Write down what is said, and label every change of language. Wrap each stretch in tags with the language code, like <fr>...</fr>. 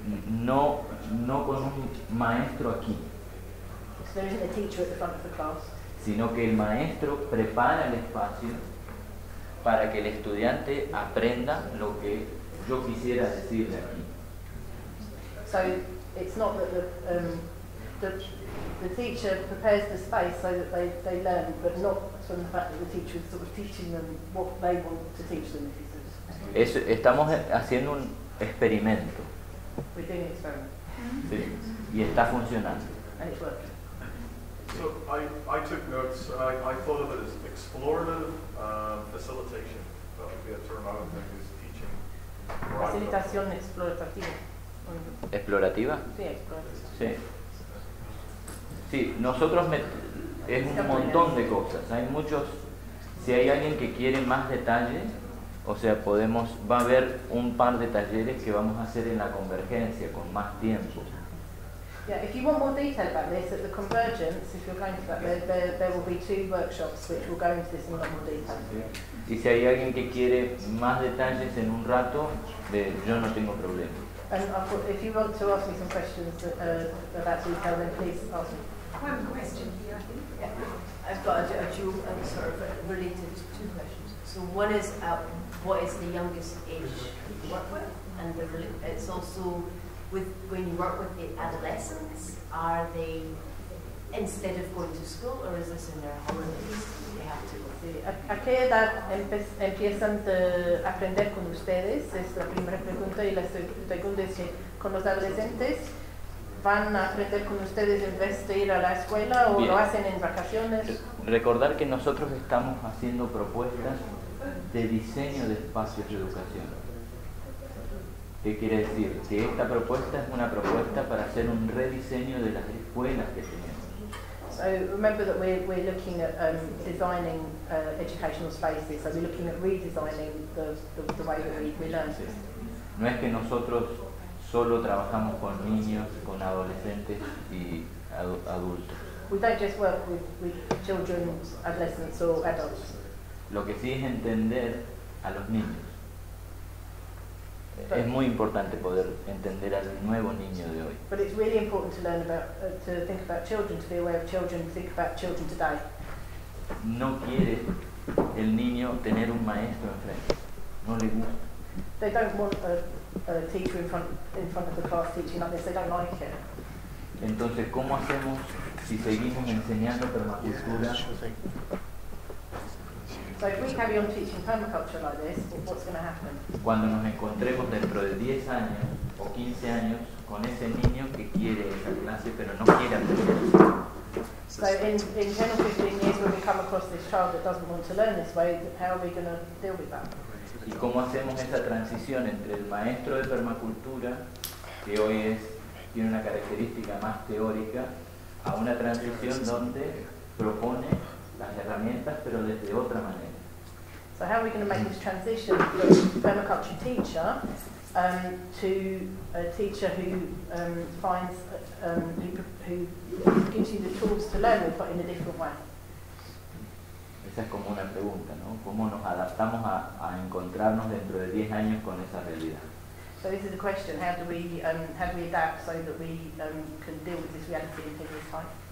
<es>No con un maestro aquí, sino que el maestro prepara el espacio para que el estudiante aprenda lo que yo quisiera decirle aquí.</es> <en>So it's not that the teacher prepares the space so that they learn, but not from the fact that the teacher is sort of teaching them what they want to teach them.</en> <es>Eso, estamos haciendo un experimento. Sí. Y está funcionando.</es> <en>So I took notes and I thought of it as explorative facilitation. That would be a term I would think is teaching.</en> <es>Facilitación explorativa. ¿Explorativa? Sí, explorativa. Sí. Sí, nosotros es un montón de cosas. Hay muchos. Si hay alguien que quiere más detalles. O sea, va a haber un par de talleres que vamos a hacer en la convergencia con más tiempo. Yeah, if you want more detail about this at the convergence, if you're going to that, there will be two workshops which will go into this in a lot more detail.</es> <en>Okay.</en> <es>Y si hay alguien que quiere más detalles en un rato, yo no tengo problema.</es> <en>And if you want to ask me some questions about detail, then please ask me. One question here, I think. Yeah. I've got a dual answer, but related to two questions. So one is, what is the youngest age you work with? And it's also, when you work with the adolescents, are they, instead of going to school, or is this in their holidays, they have to go through?</en> <es>¿A qué edad empiezan a aprender con ustedes? Es la primera pregunta. Y la segunda es, ¿con los adolescentes van a aprender con ustedes en vez de ir a la escuela o lo hacen en vacaciones? Recordar que nosotros estamos haciendo propuestas de diseño de espacios de educación. ¿Qué quiere decir? Que esta propuesta es una propuesta para hacer un rediseño de las escuelas que tenemos.</es> <en>So remember that we're looking at designing educational spaces. So we're looking at redesigning the way that we learn.</en> <es>Sí. No es que nosotros solo trabajamos con niños, con adolescentes y adultos.</es> <en>We don't just work with children, adolescents, or adults.</en> <es>Lo que sí es entender a los niños. Es muy importante poder entender al nuevo niño de hoy.</es> <en>But it's really important to learn about, to think about children, to be aware of children, think about children today.</en> <es>No quiere el niño tener un maestro enfrente. No le gusta.</es> <en>They don't want a teacher in front of the class teaching like this. They don't like it.</en> <es>Entonces, ¿cómo hacemos si seguimos enseñando permacultura?</es> <en>So if we carry on teaching permaculture like this, what's going to happen?</en> <es>Cuando nos encontremos dentro de 10 años o 15 años con ese niño que quiere esa clase pero no quiere aprender.</es> <en>So in 10 or 15 years when we come across this child that doesn't want to learn this way, how are we going to deal with that?</en> <es>¿Y cómo hacemos esa transición entre el maestro de permacultura, que hoy es, tiene una característica más teórica, a una transición donde propone las herramientas pero desde otra manera?</es> <en>So how are we going to make this transition from permaculture teacher to a teacher who finds who gives you the tools to learn with, but in a different way?</en> <es>Esa es como una pregunta, ¿no? ¿Cómo nos adaptamos a encontrarnos dentro de 10 años con esa realidad?</es> <en>So this is a question, how do we adapt so that we can deal with this reality in 10 years' time?</en>